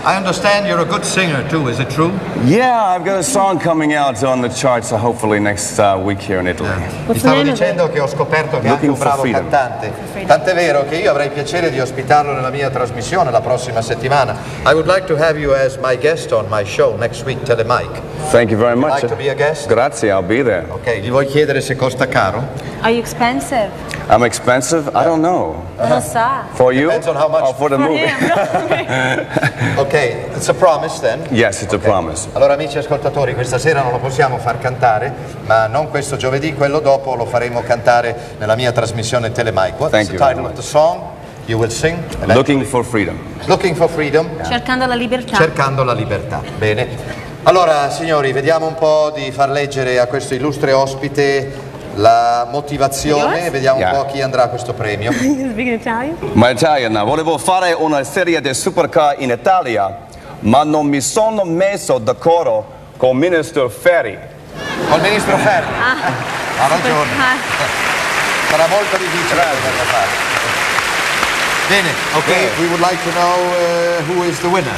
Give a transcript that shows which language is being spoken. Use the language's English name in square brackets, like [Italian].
[English] I understand you're a good singer too, is it true? Yeah, I've got a song coming out on the charts hopefully next week here in Italy. [Italian] Mi stavo dicendo che ho scoperto che anche un bravo cantante. Tant'è vero che io avrei piacere di ospitarlo nella mia trasmissione la prossima settimana. [English] I would like to have you as my guest on my show next week, Telemike. Thank you very much. Would you like to be a guest? Grazie, I'll be there. [Italian] Okay, gli vuoi chiedere se costa caro? [English] Are you expensive? I'm expensive? I don't know. For you? Depends on how much. Or for the movie? Okay, it's a promise then. Yes, it's a promise. [Italian] Allora, amici ascoltatori, questa sera non lo possiamo far cantare, ma non questo giovedì, quello dopo lo faremo cantare nella mia trasmissione Telemike. [English] What's Thank the you title of the song you will sing? Eventually? Looking for freedom. Looking for freedom. Yeah. [Italian] Cercando la libertà. Cercando la libertà. Bene. Allora, signori, vediamo un po' di far leggere a questo illustre ospite la motivazione, vediamo un po' chi andrà a questo premio. Ma Italian, volevo fare una serie di supercar in Italia, ma non mi sono messo d'accordo con il ministro Ferri. Col ministro Ferri? Ha ragione. Sarà molto difficile da fare. Bene, okay. Yeah. [English] We would like to know who is the winner.